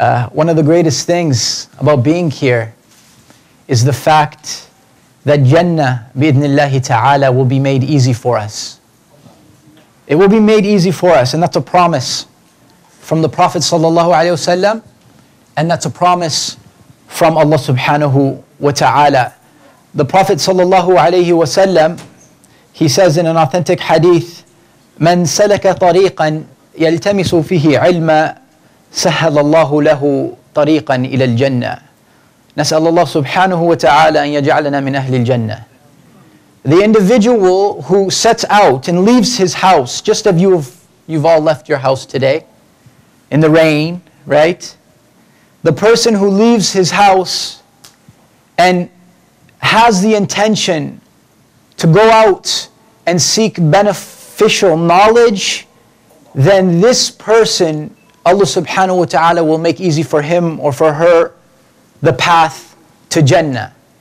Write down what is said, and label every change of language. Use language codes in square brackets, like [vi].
[en] One of the greatest things about being here is the fact that Jannah, bi-idhnillahi ta'ala, will be made easy for us. It will be made easy for us, and that's a promise from the Prophet sallallahu alayhi wasallam, and that's a promise from Allah subhanahu wa ta'ala. The Prophet sallallahu alayhi wasallam, he says in an authentic hadith, [ar] من سلك طريقا يلتمس فيه علما سهل الله له طريقا إلى الجنة. نسأل الله سبحانه وتعالى أن يجعلنا من أهل الجنة. [en] The individual who sets out and leaves his house, just as you've all left your house today, in the rain, right? The person who leaves his house and has the intention to go out and seek benefit, official knowledge, then this person, Allah subhanahu wa ta'ala, will make easy for him or for her the path to Jannah.